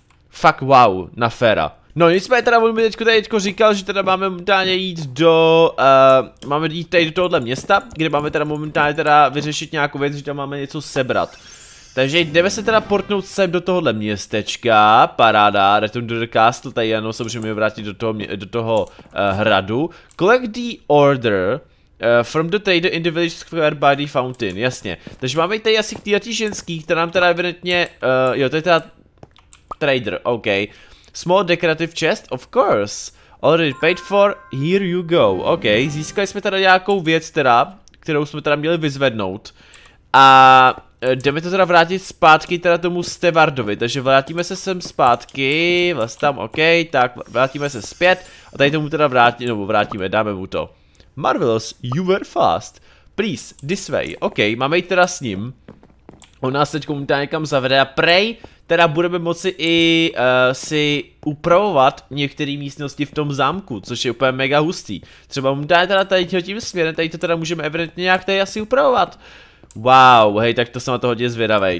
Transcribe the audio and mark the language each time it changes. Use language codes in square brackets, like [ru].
[cs] Fuck wow, na féra. No nicméně teda on mi teďko říkal, že teda máme momentálně jít do, máme jít tady do tohohle města, kde máme teda momentálně teda vyřešit nějakou věc, že tam máme něco sebrat. Takže jdeme se teda portnout sem do tohohle městečka, paráda, [en] return to the castle, [cs] tady ano, samozřejmě vrátit do toho hradu. [en] Collect the order. From the trader in the village square by the fountain, jasně. [cs] Takže máme tady asi k týhletí ženský, která nám teda evidentně, jo, to je teda trader, ok. [en] Small decorative chest, of course. Already paid for, here you go, ok. [cs] Získali jsme teda nějakou věc teda, kterou jsme teda měli vyzvednout. A jdeme to teda vrátit zpátky teda tomu Stewardovi, takže vrátíme se sem zpátky, vlastně tam, ok, tak vrátíme se zpět. A tady tomu teda vrátíme, nebo vrátíme, dáme mu to. [en] Marvelous, you were fast. Please, this way. [cs] Ok, máme jít teda s ním. On nás teď komentá někam zavede a prej, teda budeme moci i si upravovat některé místnosti v tom zámku, což je úplně mega hustý. Třeba mu dá teda tady tím směrem, tady to teda můžeme evidentně nějak tady asi upravovat. Wow, hej, tak to jsem na to hodně zvědavej.